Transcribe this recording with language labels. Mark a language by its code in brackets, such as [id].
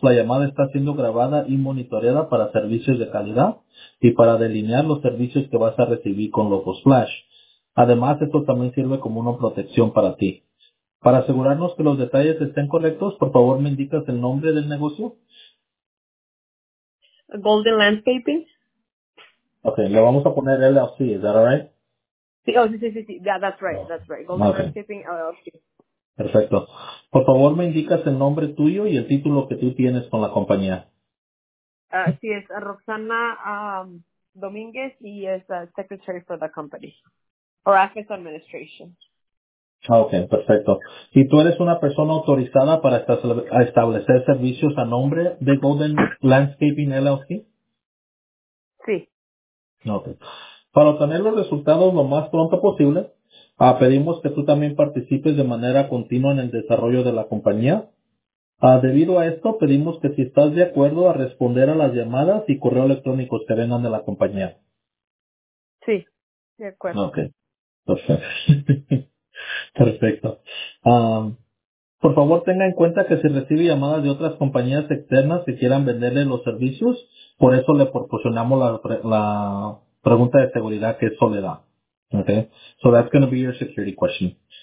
[es] La llamada está siendo grabada y monitoreada para servicios de calidad y para delinear los servicios que vas a recibir con Loco Splash. Además, esto también sirve como una protección para ti. Para asegurarnos que los detalles estén correctos, por favor, ¿me indicas el nombre del negocio? Golden Landscaping. Okay, le vamos a poner LLC, [en] is that all right? [es] Sí, sí. [en] Yeah, that's right. Golden Landscaping, LLC. [es] Perfecto. Por favor, me indicas el nombre tuyo y el título que tú tienes con la compañía. Sí, es Roxana Domínguez y es [en] Secretary for the Company, or Office Administration. [es] Ok, perfecto. Y tú eres una persona autorizada para establecer servicios a nombre de Golden Landscaping LLC? Sí. Ok. Para obtener los resultados lo más pronto posible, pedimos que tú también participes de manera continua en el desarrollo de la compañía. Debido a esto, pedimos que si estás de acuerdo a responder a las llamadas y correo electrónicos que vengan de la compañía. Sí, de acuerdo. Ok, perfecto. Por favor, tenga en cuenta que si recibe llamadas de otras compañías externas que quieran venderle los servicios, por eso le proporcionamos la pregunta de seguridad que eso le da. [en] Okay, so that's going to be your security question.